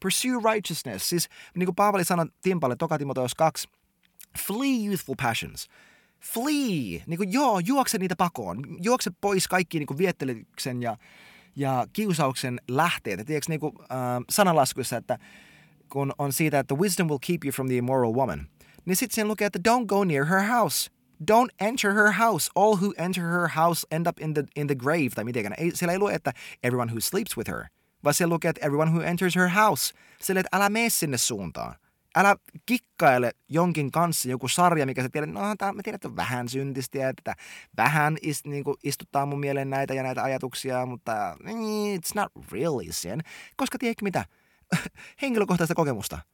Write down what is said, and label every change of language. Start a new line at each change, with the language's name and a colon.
English: Pursue righteousness.
Finnish: Siis niin kuin Paavali sanoi Timpalle, toka Timoteus 2,
English: flee youthful passions. Flee.
Finnish: Niin kuin joo, juokse niitä pakoon. Juokse pois kaikki niin kuin viettelyksen ja kiusauksen lähteet. Ja tiedätkö niin kuin sananlaskuissa, että kun on siitä, että
English: wisdom will keep you from the immoral woman.
Finnish: Niin sitten siinä lukee, että
English: don't go near her house. Don't enter her house. All who enter her house end up in the grave.
Finnish: Tai mitenkään. Siellä ei lue, että
English: everyone who sleeps with her.
Finnish: Vaan siellä lukee, että
English: everyone who enters her house.
Finnish: Silleen, että älä mene sinne suuntaan. Älä kikkaile jonkin kanssa joku sarja, mikä sä tiedät, no mä tiedän, että on vähän syntistä, että vähän niin kuin istuttaa mun mieleen näitä ja näitä ajatuksia, mutta
English: it's not really sin.
Finnish: Koska tiedätkö mitä? Henkilökohtaista kokemusta.